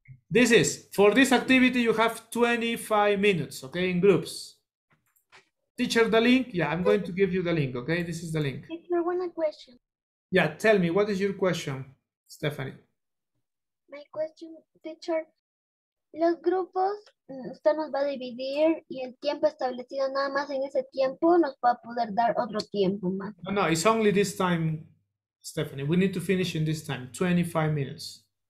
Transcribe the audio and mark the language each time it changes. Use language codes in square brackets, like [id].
[en] This is for this activity, you have 25 minutes, okay, in groups. Teacher, the link. Yeah, I'm going to give you the link, okay? This is the link. Teacher, one question. Yeah, tell me, what is your question, Stephanie? My question, teacher, [es] los grupos, usted nos va a dividir y el tiempo establecido nada más en ese tiempo nos va a poder dar otro tiempo más. [en] No, no, it's only this time, Stephanie. We need to finish in this time, 25 minutes.